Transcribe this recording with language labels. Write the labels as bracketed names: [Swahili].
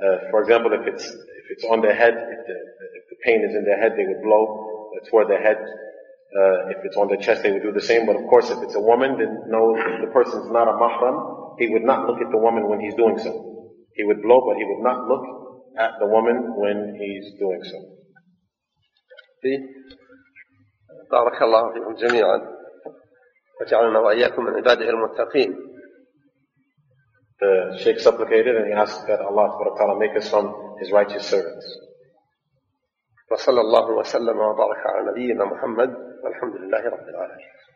[English] For example, if it's on their head, if the pain is in their head, they would blow toward their head. If it's on their chest, they would do the same. But of course, if it's a woman, then no, the person's not a mahram. He would not look at the woman when he's doing so. He would blow, but he would not look at the woman when he's doing so. [Arabic] بارك الله فيكم جميعا وجعلنا وإياكم من عباده المتقين. [English] The Sheikh supplicated and he asked that Allah Ta'ala make us from his righteous servants. [Arabic] وصلى الله وسلم وبارك على نبينا محمد والحمد لله رب العالمين.